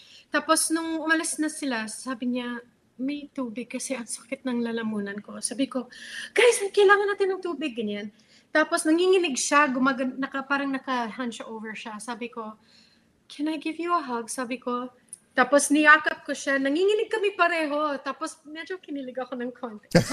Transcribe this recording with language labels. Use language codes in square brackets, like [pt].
[tl] Tapos nung umalis na sila, sabi niya, may tubig kasi ang sakit ng lalamunan ko. Sabi ko, guys, kailangan natin ng tubig. Ganyan. Tapos nanginginig siya, parang naka-hunch over siya. Sabi ko, [en] can I give you a hug? [tl] Sabi ko, tapos niyakap ko siya, nanginginig kami pareho. Tapos medyo kinilig ako ng konti.